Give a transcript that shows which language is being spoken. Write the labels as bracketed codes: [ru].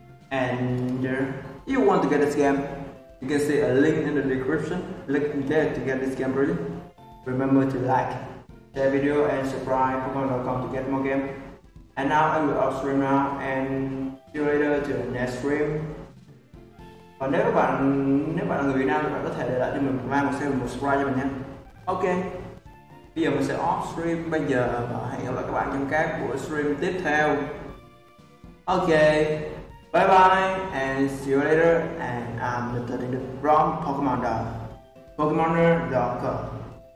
[en] And you want to get a scam? You can see a link in the description. Click there to get this game ready. Remember to like, share video, and subscribe. Pokemon.com to get more game. And now I will off stream now. And see you later to the next stream. [vi] Và nếu các bạn là người Việt Nam, các bạn có thể để lại cho mình comment một share và subscribe cho mình nhé. Okay. Bây giờ mình sẽ off stream bây giờ và hẹn gặp lại các bạn trong các buổi stream tiếp theo. [en] Okay, bye bye and see you later, and I'm the 30th from Pokemon.com.